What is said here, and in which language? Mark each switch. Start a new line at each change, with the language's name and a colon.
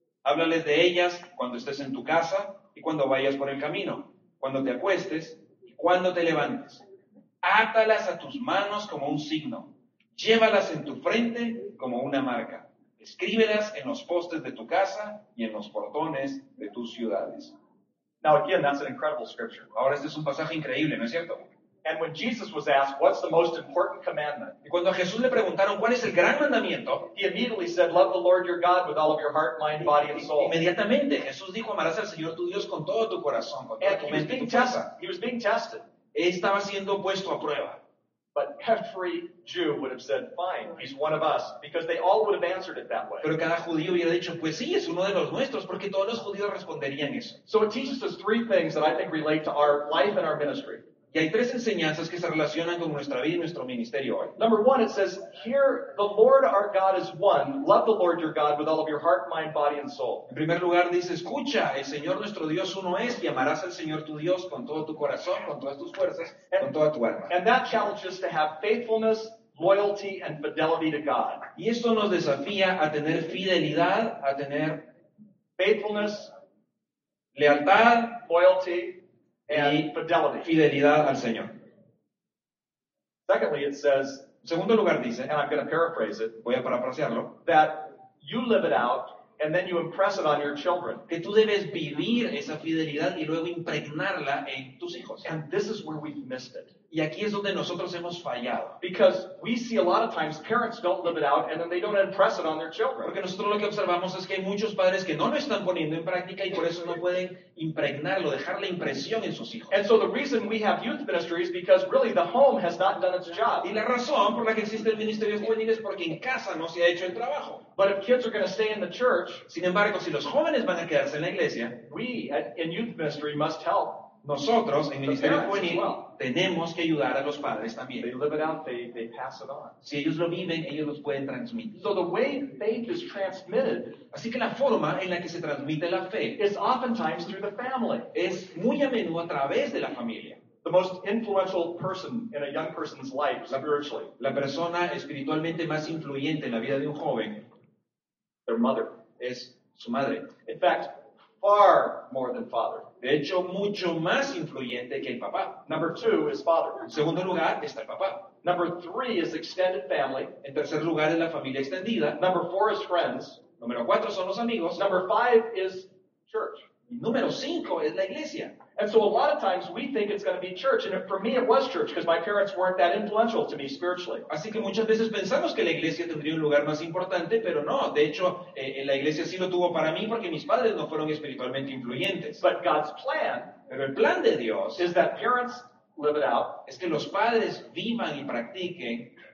Spanish: Háblales de ellas cuando estés en tu casa, y cuando vayas por el camino, cuando te acuestes y cuando te levantes. Átalas a tus manos como un signo. Llévalas en tu frente como una marca. Escríbelas en los postes de tu casa y en los portones de tus ciudades.
English: Now again, that's an incredible scripture.
Spanish: Ahora este es un pasaje increíble, ¿no es cierto?
English: And when Jesus was asked, what's the most important commandment?
Spanish: Y cuando a Jesús le preguntaron, ¿cuál es el gran mandamiento?
English: He immediately said, love the Lord your God with all of your heart, mind, body, and soul.
Spanish: Inmediatamente, Jesús dijo, amarás al Señor tu Dios con todo tu corazón, con toda tu mente y tu fuerza.
English: He was being tested.
Spanish: Estaba siendo puesto a prueba.
English: But every Jew would have said, fine, he's one of us, because they all would have answered it that way.
Spanish: Pero cada judío hubiera dicho, pues sí, es uno de los nuestros, porque todos los judíos responderían eso.
English: So it teaches us three things that I think relate to our life and our ministry.
Spanish: Y hay tres enseñanzas que se relacionan con nuestra vida y nuestro ministerio hoy.
English: Number one, it says, "Hear, the Lord our God is one. Love the Lord your God with all of your heart, mind, body, and soul."
Spanish: En primer lugar, dice, "Escucha, el Señor nuestro Dios uno es, y amarás al Señor tu Dios con todo tu corazón, con todas tus fuerzas, and, con toda tu alma."
English: And that challenges to have faithfulness, loyalty, and fidelity to God.
Spanish: Y esto nos desafía a tener fidelidad, a tener
English: faithfulness,
Spanish: lealtad,
English: loyalty, and fidelity.
Spanish: Fidelidad al Señor.
English: Secondly, it says,
Spanish: en segundo lugar dice,
English: and I'm going to paraphrase it,
Spanish: voy a parafrasearlo,
English: that you live it out and then you impress it on your children.
Spanish: Que tú debes vivir esa fidelidad y luego impregnarla en tus hijos.
English: And this is where we've missed it.
Spanish: Y aquí es donde nosotros hemos fallado.
English: Because we see a lot of times parents don't live it out and then they don't impress it on their children.
Spanish: Porque nosotros lo que observamos es que hay muchos padres que no lo están poniendo en práctica y por eso no pueden impregnarlo, dejar la impresión en sus hijos.
English: And so the reason we have youth ministry is because really the home has not done its job.
Spanish: Y la razón por la que existe el ministerio juvenil es porque en casa no se ha hecho el trabajo.
English: But if kids are going to stay in the church,
Spanish: sin embargo, si los jóvenes van a quedarse en la iglesia,
English: we in youth ministry must help.
Spanish: Nosotros, en Ministerio Juvenil, tenemos que ayudar a los padres también.
English: They live it out, they pass it on.
Spanish: Si ellos lo viven, ellos los pueden transmitir.
English: So the way faith is transmitted,
Spanish: así que la forma en la que se transmite la fe
English: is oftentimes through the family.
Spanish: Es muy a menudo a través de la familia.
English: The most influential person in a young person's life, spiritually.
Spanish: La persona espiritualmente más influyente en la vida de un joven,
English: their mother,
Spanish: es su madre.
English: In fact, far more than father.
Spanish: De hecho, mucho más influyente que el papá.
English: Number two is father.
Spanish: En segundo lugar está el papá.
English: Number three is extended family.
Spanish: En tercer lugar es la familia extendida.
English: Number four is friends.
Spanish: Número cuatro son los amigos.
English: Number five is church.
Spanish: Y número cinco es la iglesia.
English: And so a lot of times we think it's going to be church, and for me it was church because my parents weren't that influential to me spiritually.
Spanish: Así que muchas veces pensamos que la iglesia tendría un lugar más importante, pero no. De hecho, la iglesia sí lo tuvo para mí porque mis padres no fueron espiritualmente influyentes.
English: But God's plan,
Spanish: pero el plan de Dios,
English: is that parents live it out,
Spanish: es que los padres vivan y practiquen,